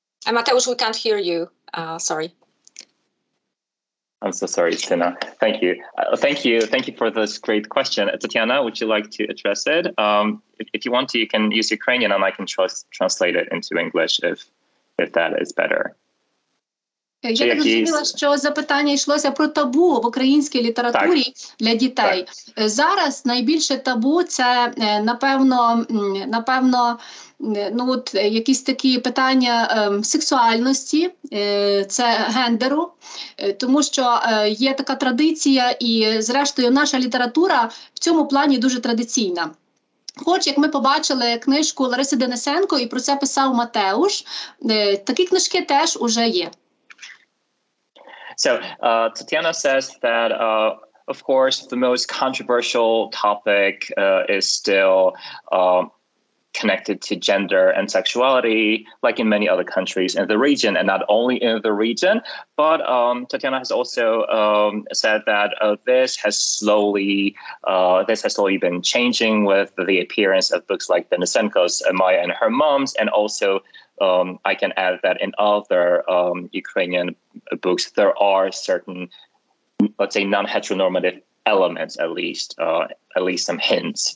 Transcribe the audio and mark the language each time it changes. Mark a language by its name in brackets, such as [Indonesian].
[English] Mateusz, we can't hear you. Sorry. I'm so sorry, Tina. Thank you. Thank you for this great question. Tatiana, would you like to address it? If you want to, you can use Ukrainian and I can translate it into English if that is better. [Ukrainian] Я так розуміла, що запитання йшлося про табу в українській літературі для дітей. Зараз найбільше табу – це, напевно, ну от якісь такі питання сексуальності, це гендеру, тому що є така традиція і, зрештою, наша література в цьому плані дуже традиційна. Хоч, як ми побачили книжку Лариси Денисенко, і про це писав Матеуш, такі книжки теж уже є. [English] So Tatiana says that, of course, the most controversial topic is still connected to gender and sexuality, like in many other countries in the region, and not only in the region. But Tatiana has also said that this has slowly been changing with the appearance of books like Denisenko's Maya and Her Moms, and also I can add that in other Ukrainian books, there are certain, let's say, non-heteronormative elements, at least some hints.